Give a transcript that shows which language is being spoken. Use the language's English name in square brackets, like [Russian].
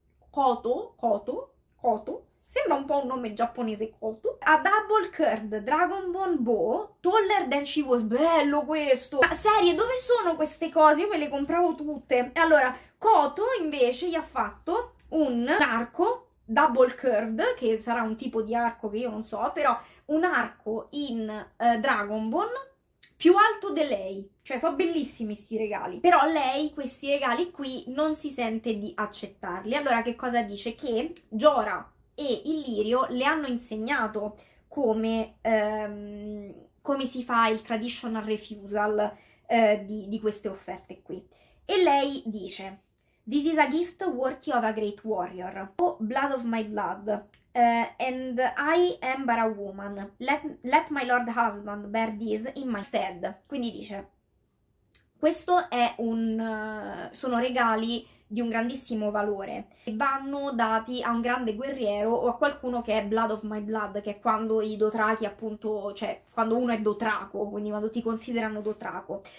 [Italian] Koto, sembra un po' un nome giapponese, Koto. [English] A double curved dragonbone bow, taller than she was. [Italian] Bello questo! Ma serie, dove sono queste cose? Io me le compravo tutte. E allora, Koto invece gli ha fatto un arco double curved, che sarà un tipo di arco che io non so, però un arco in dragonbone più alto di lei. Cioè, sono bellissimi questi regali. Però lei questi regali qui non si sente di accettarli. Allora, che cosa dice? Che Jorah e Illyrio le hanno insegnato come si fa il [English] traditional refusal [Italian] di queste offerte qui. E lei dice: [English] This is a gift worthy of a great warrior. Oh, blood of my blood, and I am but a woman. Let my lord husband bear this in my stead. [Italian] Quindi dice: Questo è un sono regali di un grandissimo valore e vanno dati a un grande guerriero o a qualcuno che è [English] blood of my blood, [Italian] che è quando i Dothraki, appunto, cioè quando uno è Dothraco, quindi quando ti considerano Dothraco.